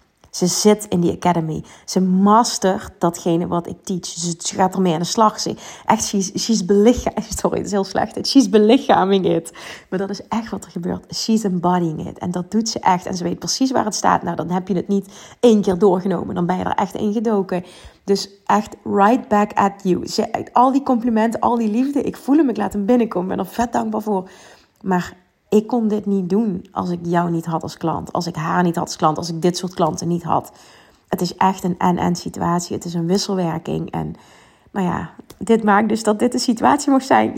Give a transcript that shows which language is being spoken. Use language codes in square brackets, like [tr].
[nl] Ze zit in die academy. Ze mastert datgene wat ik teach. Ze gaat ermee aan de slag. Echt, [en] she's [nl] belichaming. Sorry, dat is heel slecht. [en] She's [nl] belichaming it. Maar dat is echt wat er gebeurt. [en] She's embodying it. [nl] En dat doet ze echt. En ze weet precies waar het staat. Nou, dan heb je het niet 1 keer doorgenomen. Dan ben je er echt in gedoken. Dus echt [en] right back at you. [nl] Al die complimenten, al die liefde. Ik voel hem, ik laat hem binnenkomen. Ik ben er vet dankbaar voor. Maar ik kon dit niet doen als ik jou niet had als klant. Als ik haar niet had als klant. Als ik dit soort klanten niet had. Het is echt een en-en situatie. Het is een wisselwerking. En nou ja, dit maakt dus dat dit de situatie mocht zijn.